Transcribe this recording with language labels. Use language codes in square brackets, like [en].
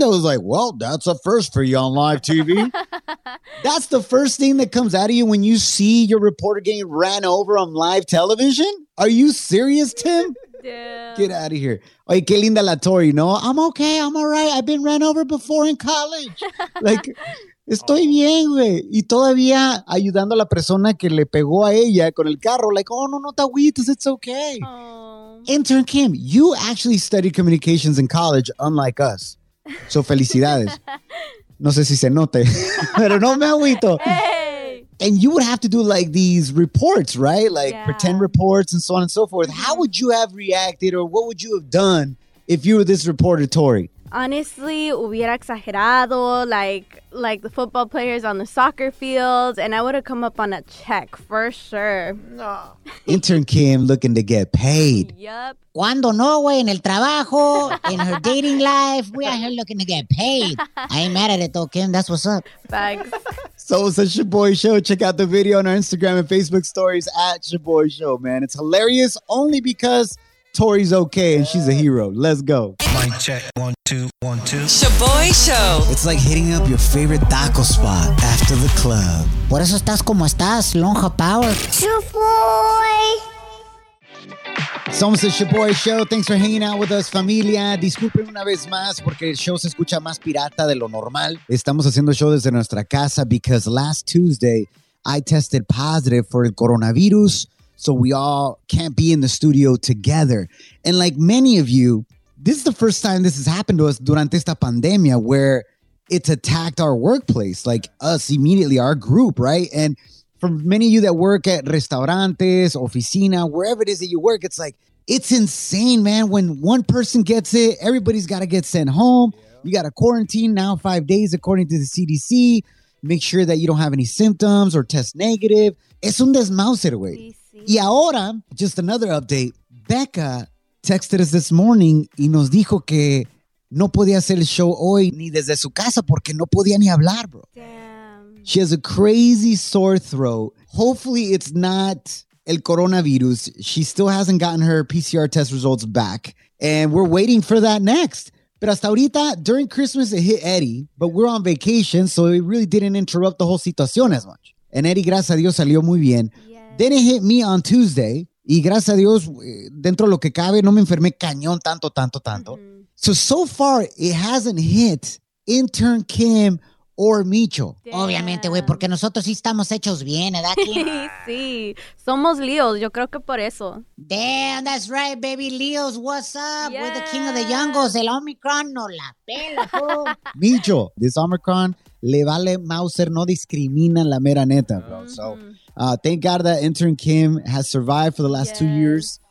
[en] That was like, well, that's a first for you on live TV. That's the first thing that comes out of you when you see your reporter getting ran over on live television? Are you serious, Tim? Damn. Get out of here. [es] Oye, qué linda la Tori, no? [en] I'm okay. I'm all right. I've been ran over before in college. [es] Like, estoy bien, güey. Y todavía ayudando a la persona que le pegó a ella con el carro. [en] Like, oh, [es] no te agüites. [en] It's okay. Aww. Intern Kim, you actually studied communications in college, unlike us. [es] So, felicidades. No sé si se note. Pero no me agüito. [en] Hey. And you would have to do, like, these reports, right? Like, yeah. Pretend reports and so on and so forth. How would you have reacted or what would you have done if you were this reporter, Tori? Honestly, [es] hubiera exagerado, [en] like the football players on the soccer fields, and I would have come up on a check for sure. No. Intern Kim looking to get paid. Yep. [es] Cuando no, güey, en el trabajo, [en] in her dating life, we are here looking to get paid. I ain't mad at it, though, Kim. That's what's up. Thanks. So it's a Shaboy Show. Check out the video on our Instagram and Facebook stories at Shaboy Show, man. It's hilarious only because Tori's okay and she's a hero. Let's go. Mic check. 1, 2, 1, 2. Shaboy Show. It's like hitting up your favorite taco spot after the club. [es] Por eso estás como estás, Lonja Power. Shaboy. Somos el Shaboy Show. [en] Thanks for hanging out with us, familia. [es] Disculpen una vez más porque el show se escucha más pirata de lo normal. Estamos haciendo show desde nuestra casa [en] because last Tuesday I tested positive for el coronavirus. So we all can't be in the studio together. And like many of you, this is the first time this has happened to us [es] durante esta pandemia [en] where it's attacked our workplace, like us immediately, our group, right? And for many of you that work at restaurantes, oficina, wherever it is that you work, it's like, it's insane, man. When one person gets it, everybody's got to get sent home. Yeah. You got to quarantine now 5 days, according to the CDC. Make sure that you don't have any symptoms or test negative. [es] Es un desmauce, güey. Y ahora, [en] just another update, Becca texted us this morning [es] y nos dijo que no podía hacer el show hoy ni desde su casa porque no podía ni hablar, bro. [en] Damn. She has a crazy sore throat. Hopefully it's not el coronavirus. She still hasn't gotten her PCR test results back and we're waiting for that next. [es] Pero hasta ahorita, [en] during Christmas, it hit Eddie, but we're on vacation, so it really didn't interrupt the whole situation as much. [es] And Eddie, gracias a Dios, salió muy bien. [en] Then it hit me on Tuesday, [es] y gracias a Dios, dentro de lo que cabe, no me enfermé cañón tanto. Mm-hmm. [en] So far, it hasn't hit intern Kim or Micho. Damn. [es] Obviamente, güey, porque nosotros sí estamos hechos bien, ¿verdad, Kim? Sí, somos Leos, yo creo que por eso. [en] Damn, that's right, baby, Leos, what's up? Yeah. We're the king of the jungles, [es] el Omicron no la pela. [en] Micho, this Omicron [es] le vale Mauser, no discrimina la mera neta, [en] bro, mm-hmm. So... thank God that intern Kim has survived for the last 2 years.